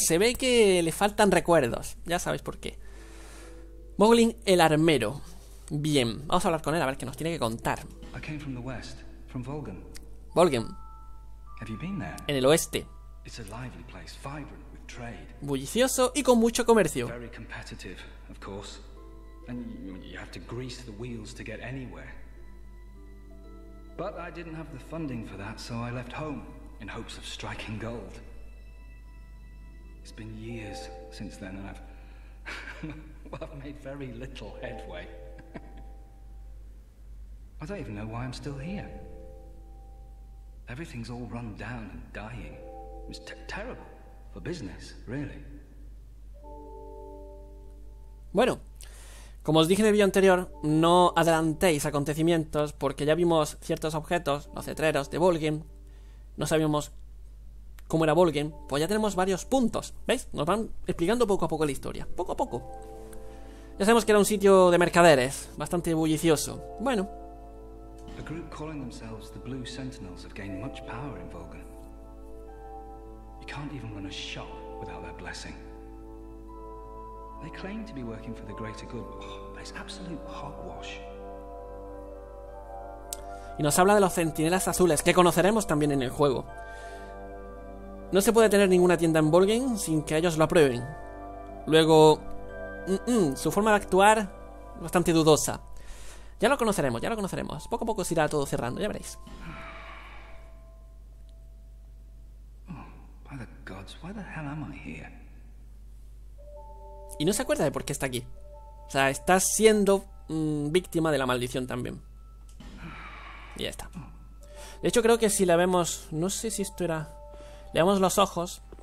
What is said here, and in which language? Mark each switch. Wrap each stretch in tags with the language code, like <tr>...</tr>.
<es>Se ve que le faltan recuerdos. Ya sabéis por qué. Moglin, el armero. Bien, vamos a hablar con él a ver qué nos tiene que contar.</es> <en>I came from the west, from Volgen. Volgen. Have you been there?</en> <es>En el oeste.</es> <en>It's a lively place, vibrant with trade.</en> <es>Bullicioso y con mucho comercio.</es> <en>Very competitive, of course. And you have to grease the wheels to get anywhere. But I didn't have the funding for that, so I left home in hopes of striking gold. It's been years since then, and I've made very little headway. I don't even know why I'm still here. Everything's all run down and dying. It's terrible for business, really.</en> <es>Bueno. Como os dije en el vídeo anterior, no adelantéis acontecimientos porque ya vimos ciertos objetos, los letreros de Volgen. No sabíamos cómo era Volgen, pues ya tenemos varios puntos, ¿veis? Nos van explicando poco a poco la historia, poco a poco. Ya sabemos que era un sitio de mercaderes, bastante bullicioso. Bueno.</es> <en>A group calling themselves the Blue Sentinels have gained much power in Volgen. You can't even run a shop without their blessing. They claim to be working for the greater good, but it's absolute hogwash.</en> <es>Y nos habla de los centinelas azules, que conoceremos también en el juego. No se puede tener ninguna tienda en Volgen sin que ellos lo aprueben. Luego, su forma de actuar, bastante dudosa. Ya lo conoceremos. Poco a poco se irá todo cerrando, ya veréis.</es> <en>By the gods, why the hell am I here?</en> <es>Y no se acuerda de por qué está aquí. O sea, está siendo víctima de la maldición también. Y ya está. De hecho, creo que si la vemos... No sé si esto era... Le vemos los ojos.</es>